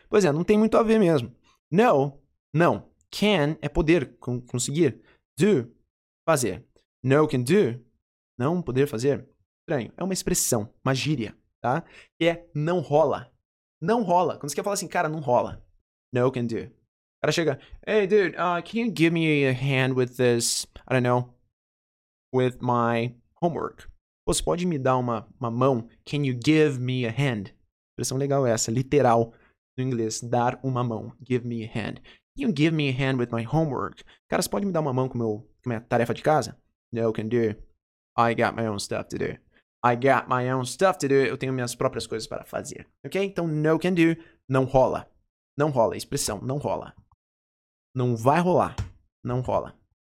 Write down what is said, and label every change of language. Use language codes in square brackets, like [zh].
[pt] Pois é, não tem muito a ver mesmo. No, não. Can é poder, conseguir. Do, fazer. [en] No can do, [pt] não poder fazer. Estranho. É uma expressão, uma gíria, tá? Que é não rola. Não rola. Quando você quer falar assim, cara, não rola. [en] No can do. [pt] O cara chega, [en] hey, dude, can you give me a hand with this, I don't know, with my homework? [pt] Você pode me dar uma mão? [en] Can you give me a hand? [pt] Expressão legal essa, literal no inglês. Dar uma mão. [en] Give me a hand. Can you give me a hand with my homework? [pt] Cara, você pode me dar uma mão com minha tarefa de casa? [en] No, can do. I got my own stuff to do. I got my own stuff to do. [pt] Eu tenho minhas próprias coisas para fazer. Ok? Então, [en] no can do. [pt] Não rola. Não rola. Expressão, não rola. Não vai rolar. Não rola.